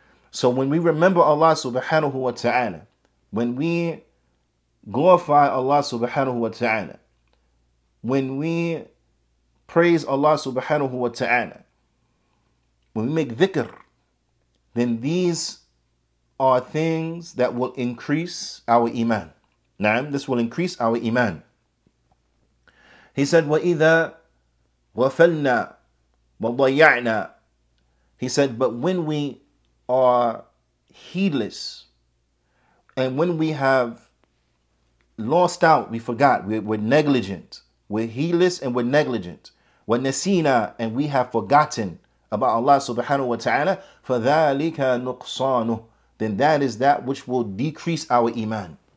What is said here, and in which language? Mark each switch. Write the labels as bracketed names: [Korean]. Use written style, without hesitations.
[English] So when we remember Allah subhanahu wa ta'ala, when we glorify Allah subhanahu wa ta'ala, when we praise Allah subhanahu wa ta'ala, when we make dhikr, then these are things that will increase our Iman. Na'am, this will increase our Iman. He said, [Arabic] وَإِذَا غَفَلْنَا وَضَيَعْنَا. [English] He said, but when we are heedless, and when we have lost out, we forgot, we're negligent, we're heedless and we're negligent, [Arabic] وَنَسِينَا, [English] and we have forgotten about Allah subhanahu wa ta'ala, [Arabic] فَذَلِكَ نُقْصَانُ, [English] then that is that which will decrease our Iman.